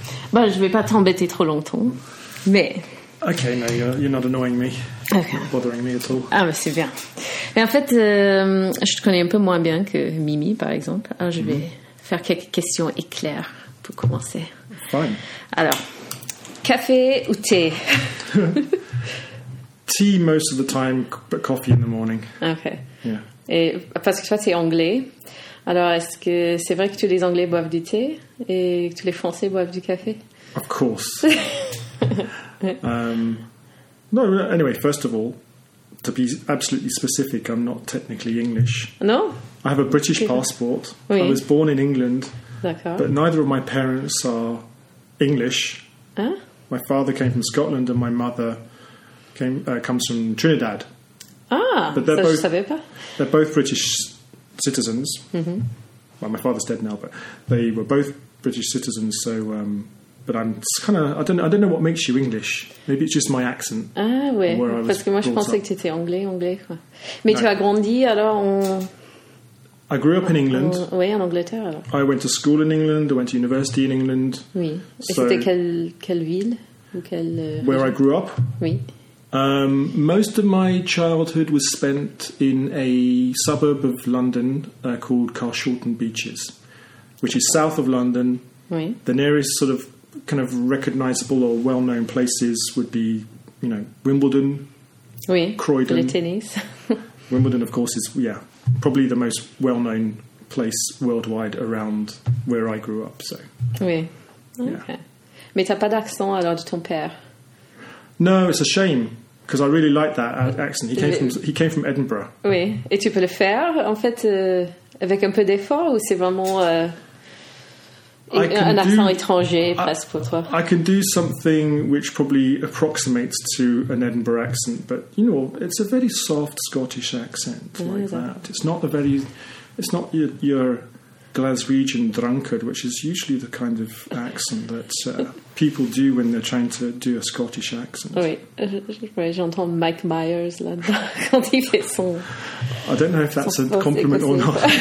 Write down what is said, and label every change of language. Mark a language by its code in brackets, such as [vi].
[fr] Ben, je vais pas t'embêter trop longtemps, mais. [en] Okay, no, you're not annoying me. Okay. Not bothering me at all. [fr] Ah, mais c'est bien. Mais en fait, je te connais un peu moins bien que Mimi, par exemple. Alors, je vais faire quelques questions éclairs pour commencer. [en] Fine. [fr] Alors, café ou thé? [en] Tea most of the time, but coffee in the morning. Okay. Yeah. [fr] Et parce que toi, t'es anglais. Alors, est-ce que c'est vrai que tous les Anglais boivent du thé et que tous les Français boivent du café? [en] Of course. No, anyway, first of all, to be absolutely specific, I'm not technically English. No? I have a British passport. [fr] Oui. [en] I was born in England. [fr] D'accord. [en] But neither of my parents are English. [fr] Hein? [en] My father came from Scotland and my mother comes from Trinidad. Ah, but they're [fr] ça [en] both, [fr] je savais pas. [en] They're both British citizens. Mm-hmm. Well, my father's dead now, but they were both British citizens, so... But I'm kind of... I don't know what makes you English. Maybe it's just my accent. [fr] Ah, ouais. Parce que moi, je pensais que tu étais anglais, quoi. Mais no. Tu as grandi, alors, [en] I grew up in England. [fr] Oui, en Angleterre, alors. [en] I went to school in England. I went to university in England. [fr] Oui. Et so, c'était quelle ville ou quelle... [en] Where I grew up. [fr] Oui. [en] Most of my childhood was spent in a suburb of London called Carshalton Beaches, which is south of London. [fr] Oui. [en] The nearest sort of kind of recognisable or well-known places would be, you know, Wimbledon, [fr] oui. [en] Croydon. [fr] Le tennis. [en] Wimbledon, of course, is, yeah, probably the most well-known place worldwide around where I grew up, so. [fr] Oui. Okay. Mais t'as pas d'accent alors de ton père? [en] No, it's a shame, because I really like that accent. He came from Edinburgh. [fr] Oui, et tu peux le faire, en fait, avec un peu d'effort, ou c'est vraiment un accent étranger, presque, pour toi? [en] I can do something which probably approximates to an Edinburgh accent, but, you know, it's a very soft Scottish accent, like that. It's not the very... It's not your Glaswegian drunkard, which is usually the kind of accent that... people do when they're trying to do a Scottish accent. [fr] Oui, j'entends Mike Myers là-dedans quand il fait son... [en] I don't know if that's a compliment or not.